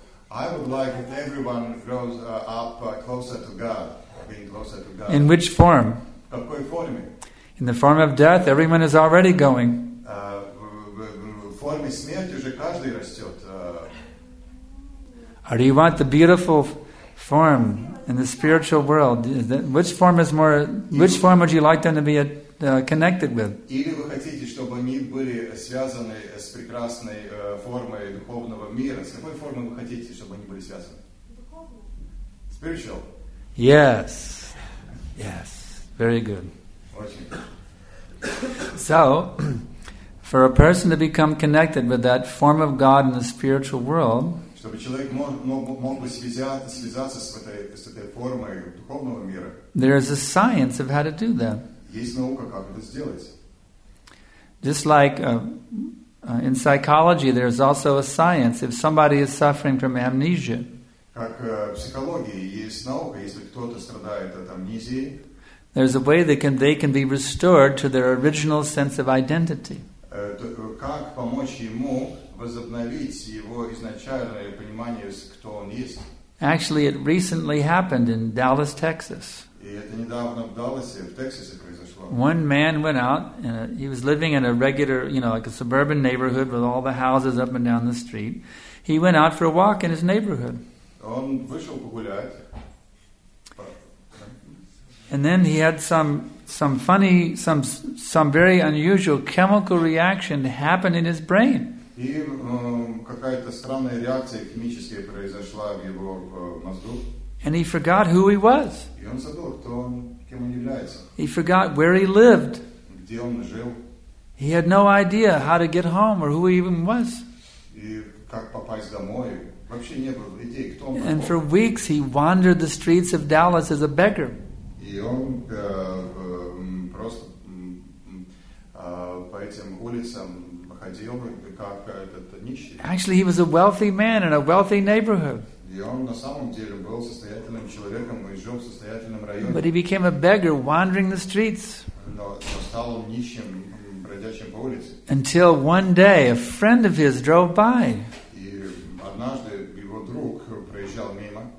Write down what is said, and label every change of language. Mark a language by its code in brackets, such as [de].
[en] I would like that everyone grows up closer to God, being closer to God. In which form? [ru] В какой форме? [en] In the form of death, everyone is already going. [ru] В форме смерти уже каждый растет. [en] Or do you want the beautiful form in the spiritual world? Which form is more? Which form would you like them to be connected with? [ru] Или вы хотите, чтобы они были связаны с прекрасной формой духовного мира? С какой формой вы хотите, чтобы они были связаны? Духовно. [en] Spiritual. Yes. Yes. Very good. So, for a person to become connected with that form of God in the spiritual world, there is a science of how to do that. Just like in psychology, there is also a science. If somebody is suffering from amnesia, there's a way they can be restored to their original sense of identity. [ru] Как помочь ему возобновить его изначальное понимание, кто он есть? [en] Actually, it recently happened in Dallas, Texas. [ru] И это недавно в Далласе, в Тексасе произошло. [en] One man went out, and he was living in a regular, you know, like a suburban neighborhood with all the houses up and down the street. He went out for a walk in his neighborhood. [ru] Он вышел погулять. [en] And then he had some very unusual chemical reaction happen in his brain. [ru] И какая-то странная реакция химическая произошла в его мозгу. [en] And he forgot who he was. [ru] И он забыл, кто он, кем он является. [en] He forgot where he lived. [ru] Где он жил. [en] He had no idea how to get home or who he even was. [ru] И как попасть домой. Вообще не было идеи, кто он. [en] And for weeks he wandered the streets of Dallas as a beggar. [ru] И он просто по этим улицам ходил, как этот нищий. [en] Actually, he was a wealthy man in a wealthy neighborhood. [ru] И он на самом деле был состоятельным человеком и жил в состоятельном районе. [en] But he became a beggar wandering the streets. [ru] Но стал он нищим, бродячим по улице. [en] Until one day, a friend of his drove by. [ru] И однажды его друг проезжал мимо.